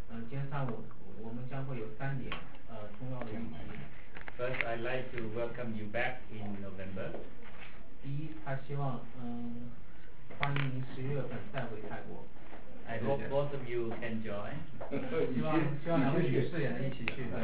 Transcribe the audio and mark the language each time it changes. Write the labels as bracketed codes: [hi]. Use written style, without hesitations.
[zh] 今天上午我们将会有三点重要的议题。 [en] First, I'd like to welcome you back in November. [zh] 第一，他希望欢迎您十月份再回泰国。 [en] I hope both of you can join. [zh] 希望两位女士也能一起去。